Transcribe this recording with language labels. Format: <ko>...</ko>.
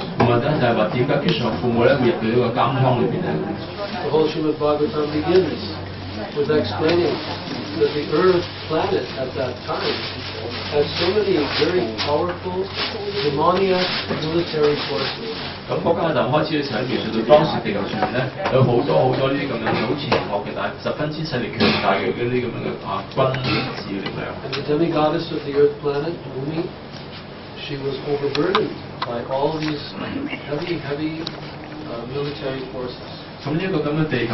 <en>The whole Srimad Bhagavatam begins with explaining that the Earth planet at that time had so many very powerful demoniac military forces.</en> <yue>咁國家喺南開始嘅時候，其實佢當時地球上面咧有好多好多呢啲咁樣好似好嘅大十分之勢力強大嘅呢啲咁樣嘅軍事力量。</yue> <en>And the demigoddess of the Earth planet, Bhumi, she was overburdened by all these heavy military forces.</en>